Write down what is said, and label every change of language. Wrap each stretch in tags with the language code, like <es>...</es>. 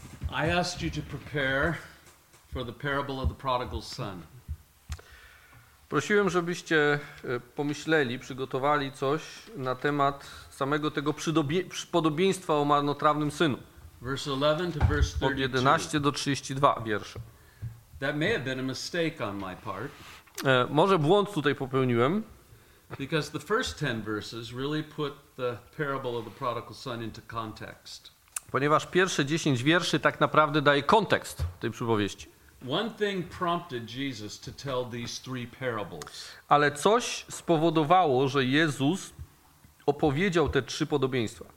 <en>I asked you to prepare for the parable of the prodigal son.</en> <pl>Prosiłem, żebyście pomyśleli, przygotowali coś na temat samego tego podobieństwa o marnotrawnym synu.</pl> <en>Verse 11 to verse 32.</en> <pl>Od 11 do 32 wiersze.</pl> <en>That may have been a mistake on my part.</en> <pl>Może błąd tutaj popełniłem.</pl> <en>Because the first 10 verses really put the parable of the prodigal son into context.</en> <pl>Ponieważ pierwsze 10 wierszy tak naprawdę daje kontekst tej przypowieści.</pl> <en>One thing prompted Jesus to tell these three parables.</en> <pl>Ale coś spowodowało, że Jezus opowiedział te trzy podobieństwa.</pl>